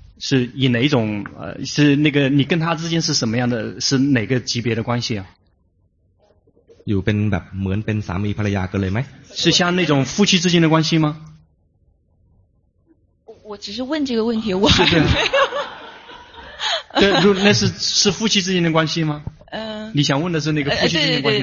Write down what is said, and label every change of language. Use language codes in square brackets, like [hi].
[zh] 是以哪一种是那个你跟他之间是什么样的是哪个级别的关系啊 [th] อยู่เป็นแบบเหมือนเป็นสามีภรรยากันเลยไหม [zh] 是像那种夫妻之间的关系吗我只是问这个问题我还没有对那是夫妻之间的关系吗你想问的是那个夫妻之间的关系